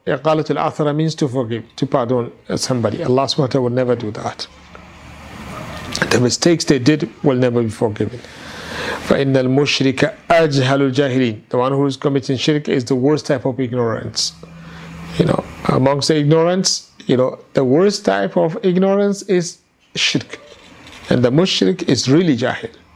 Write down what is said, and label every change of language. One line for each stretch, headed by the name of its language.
Arabic: إقالة العثرة
English: means to forgive, to pardon somebody. Allah subhanahu wa ta'ala will never do that. The mistakes they did will never be forgiven.
Arabic: فإن المشرك أجهل الجاهلين.
English: The one who is committing shirk is the worst type of ignorance. You know, amongst the ignorance, you know, the worst type of ignorance is shirk. And the mushrik is really jahil.